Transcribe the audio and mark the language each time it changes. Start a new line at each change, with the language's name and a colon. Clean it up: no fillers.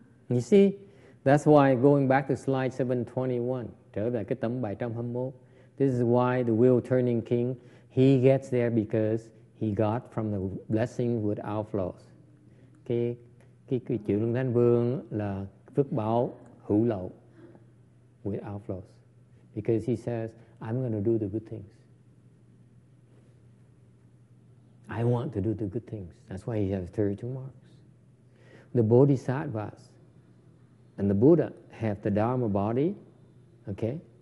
English: You see, that's why going back to slide 721,
Vietnamese: trở về cái tấm 721,
English: this is why the wheel-turning king, he gets there because he got from the blessing with outflows.
Vietnamese: Cái chữ Lương Thanh Vương là phước báo hữu lậu
English: with outflows. Because he says, I'm going to do the good things. I want to do the good things. That's why he has 32 marks. The Bodhisattvas and the Buddha have the Dharma body, okay?